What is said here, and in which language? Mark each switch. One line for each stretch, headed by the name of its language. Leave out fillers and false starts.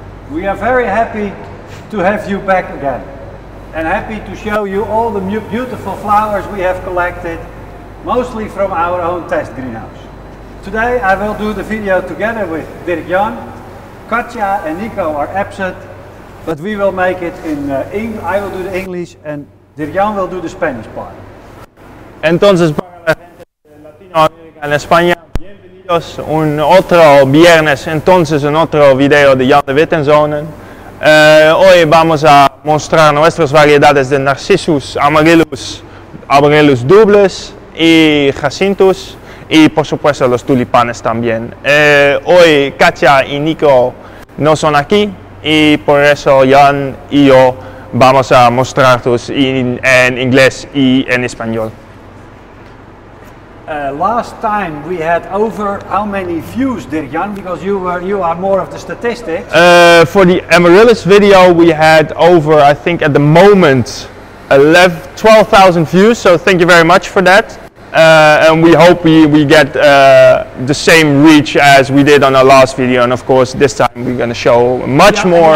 English: We are very happy to have you back again and happy to show you all the beautiful flowers we have collected, mostly from our own test greenhouse. Today I will do the video together with Dirk-Jan. Katja and Nico are absent, but we will make it in English. I will do the English and Dirk-Jan will do the Spanish part.
Spanish: Entonces para la gente de Latinoamérica en España, bienvenidos un otro viernes, entonces un otro video de Jan de Wittenzonen. Hoy vamos a mostrar nuestras variedades de Narcissus, Amaryllus, Amaryllus dubles y Jacinthus y por supuesto los tulipanes también. Hoy Katja y Nico no son aquí y por eso Jan y yo vamos a mostrarlos en inglés y en español.
English: Last time we had over how many views, Dirk-Jan, because you are more of the statistics. For the Amaryllis video we had over, I think at the moment, 12,000 views, so thank you very much for that. And we hope we get the same reach as we did on our last video, and of course this time we're going to show much more